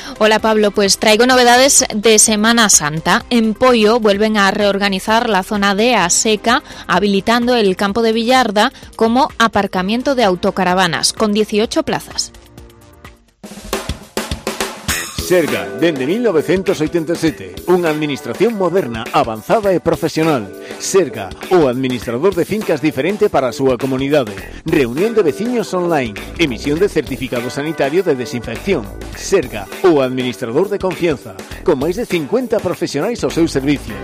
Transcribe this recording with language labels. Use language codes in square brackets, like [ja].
[es] Hola Pablo, pues traigo novedades de Semana Santa. En Poio vuelven a reorganizar la zona de Aseca, habilitando el campo de Villarda como aparcamiento de autocaravanas, con 18 plazas. [gl] Serga, dende 1987, unha administración moderna, avanzada e profesional. Serga, o administrador de fincas diferente para a súa comunidade. Reunión de veciños online, emisión de certificado sanitario de desinfección. Serga, o administrador de confianza, con máis de 50 profesionais ao seu servicio.